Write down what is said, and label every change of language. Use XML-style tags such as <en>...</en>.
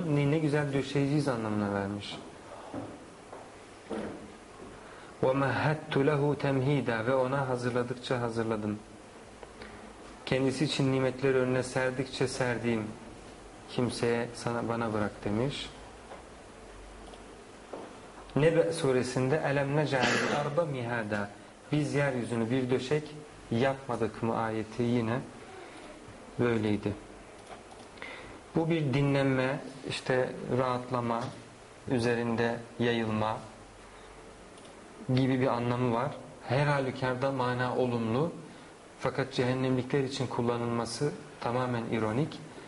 <tr>Ne güzel döşeyeceğiz anlamına vermiş.</tr> <ar>وَمَهَّدْتُ لَهُ تَمْه۪يدًا.</ar> <tr>Ve ona hazırladıkça hazırladım. Kendisi için nimetler önüne serdikçe serdiğim, kimseye sana bana bırak demiş. Nebe suresinde</tr> <ar>اَلَمْ نَجَعَلِ الْاَرْضَ مِهَادًا.</ar> <tr>Biz yeryüzünü bir döşek yapmadık mı ayeti yine böyleydi. Bu bir dinlenme, işte rahatlama, üzerinde yayılma gibi bir anlamı var. Her halükarda mana olumlu. Fakat cehennemlikler için kullanılması tamamen ironik.</tr>